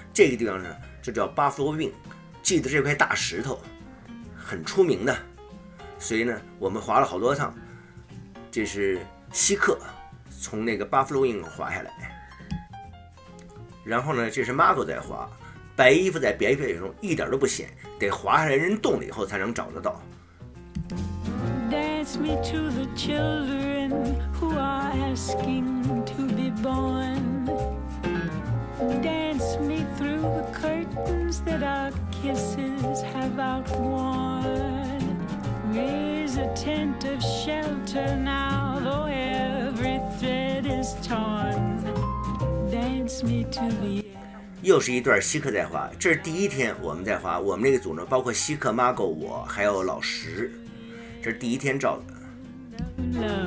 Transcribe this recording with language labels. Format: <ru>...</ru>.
<zh>这个地方呢就叫巴夫洛运，记得这块大石头很出名的，所以呢我们滑了好多趟，这是西克从那个巴夫洛运滑下来，然后呢这是马克在滑，白衣服在白雪中一点都不显，得滑下来人洞了以后才能找得到。</zh> <en>Dance me to the children who are asking to be born. Dance me through the curtains that our kisses have outworn. Raise a tent of shelter now, though every thread is torn. Dance me to the end.</en> <zh>又是一段稀客在滑，这是第一天我们在滑，我们那个组呢包括稀客、马狗、我还有老石，这是第一天照的。</zh>